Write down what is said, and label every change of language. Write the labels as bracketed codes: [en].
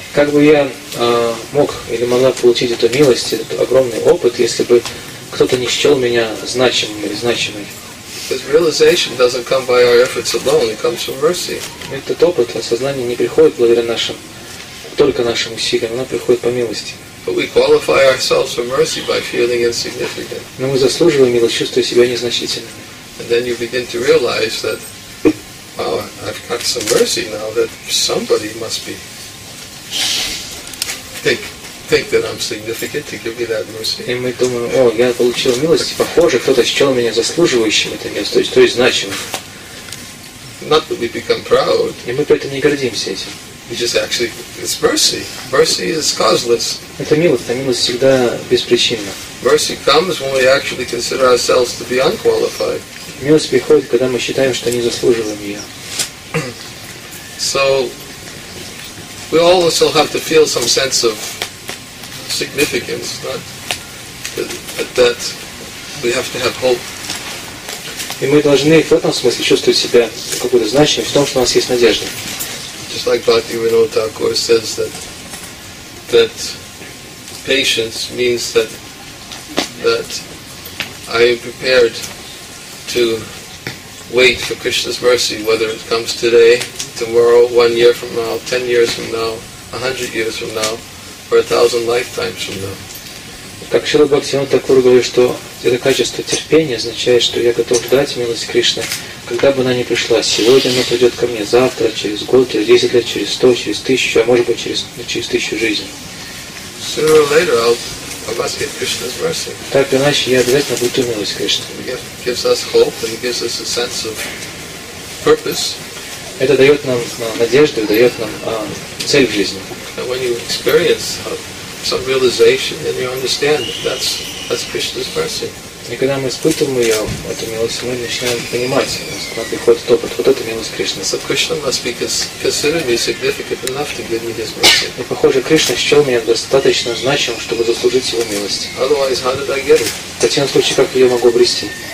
[ru] Как бы я мог или могла получить эту милость, этот огромный опыт, если бы кто-то не счел меня значимым или значимой? [en] Because realization doesn't come by our efforts alone; it comes from mercy. [ru] Этот опыт, осознание не приходит благодаря нашим, только нашим усилиям. Оно приходит по милости. [en] But we qualify ourselves for mercy by feeling insignificant. [ru] Но мы заслуживаем милость, чувствуя себя незначительными. [en] And then you begin to realize that, wow, I've got some mercy now. That somebody must be think that I'm significant to give me that mercy. [ru] И мы думаем, о, я получил милость, похоже, кто-то счел меня заслуживающим это место, то есть значимым. [en] Not that we become proud. [ru] И мы поэтому не гордимся этим. [en] It's just actually, it's mercy. Mercy is causeless. [ru] Это милость всегда беспричинна. [en] Mercy comes when we actually consider ourselves to be unqualified. [ru] Милость приходит, когда мы считаем, что не заслуживаем ее. [en] So, we all also have to feel some sense of significance, not that we have to have hope. [ru] И мы должны в этом смысле чувствовать себя какой-то значимым, в том, что у нас есть надежда. [en] Just like Bhaktivinoda Thakur says that patience means that I am prepared to wait for Krishna's mercy, whether it comes today, tomorrow, 1 year from now, 10 years from now, 100 years from now, or 1,000 lifetimes from now. [ru] Как Шрила Бхактисиддханта Такур говорит, что это качество терпения означает, что я готов ждать милость Кришны, когда бы она ни пришла. Сегодня она придет ко мне, завтра, через год, через 10 лет, через 100, через 1000, а может быть через 1000 жизней. [en] Sooner or later I must get Krishna's mercy. [ru] Так или иначе, я обязательно буду милость Кришны. [en] Gives us hope and gives us a sense of purpose. [ru] Это дает нам надежду, дает нам цель в жизни. [en] And when you experience some realization, then you understand that that's Krishna's mercy. [ru] И когда мы испытываем ее, эту милость, мы начинаем понимать, когда приходит опыт, вот это милость Кришны. [en] So Krishna must be considered significant enough to give me his mercy. [ru] И похоже, Кришна счел меня достаточно значимым, чтобы заслужить его милость. [en] Otherwise, how did I get it? [ru] В таком случае, как ее могу обрести?